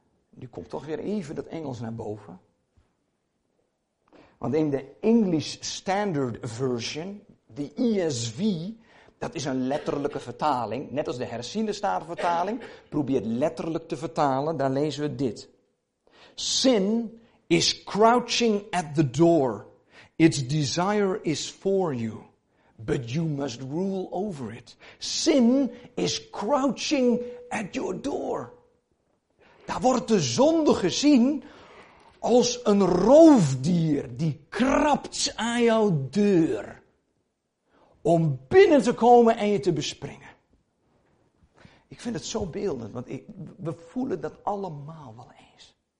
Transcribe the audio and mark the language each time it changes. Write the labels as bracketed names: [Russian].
[Dutch] Nu komt toch weer even dat Engels naar boven. Want in de English Standard Version, de ESV, dat is een letterlijke vertaling, net als de herziende statenvertaling, probeert letterlijk te vertalen, daar lezen we dit. [English] Sin is crouching at the door. Its desire is for you, but you must rule over it. Sin is crouching at your door. [Dutch] Daar wordt de zonde gezien als een roofdier die krabt aan jouw deur om binnen te komen en je te bespringen. Ik vind het zo beeldend, want we voelen dat allemaal wel eens.